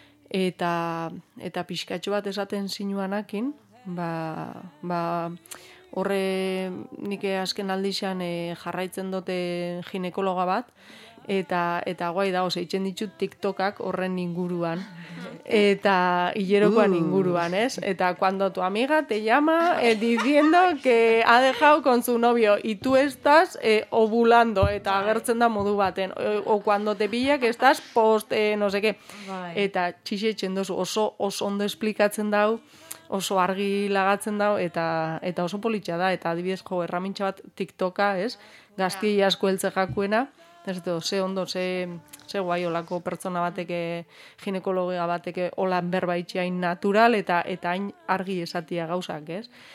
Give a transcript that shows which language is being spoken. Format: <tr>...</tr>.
<eu>Eta pixkatxo bat esaten zinuanakin, ba horre nik azken aldixan jarraitzen dute ginekologa bat, eta guai da, ose, itxen ditut TikTokak horren inguruan. Eta hilerokoan inguruan, ez?</eu> <es>Eta cuando tu amiga te llama diciendo que ha dejado con su novio y tú estás ovulando,</es> <eu>eta agertzen da modu baten.</eu> <es>O cuando te pilla que estás post no sé qué.</es> <eu>Eta txixe txendozu, oso ondo explikatzen dau, oso argi lagatzen dau, eta oso politxa da, eta adibidez jo erramintxa bat TikToka, ez? Gaztia asko heltze jakuena. Ez do, ze ondo, ze guai olako pertsona bateke, ginekologia bateke, olan berbaitxain natural, eta hain argi esatia gauzak, ez?</eu>